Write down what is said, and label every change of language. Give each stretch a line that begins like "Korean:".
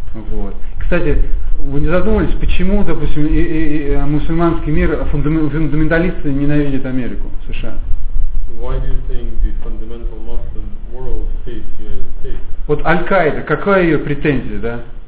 Russian: Вот. Кстати, вы не задумывались, почему, допустим, мусульманский мир, фундаменталисты ненавидят Америку, США?
English: Why do you think the fundamental Muslim world hates the United States?
Russian: Вот Аль-Каида, какая ее претензия, да?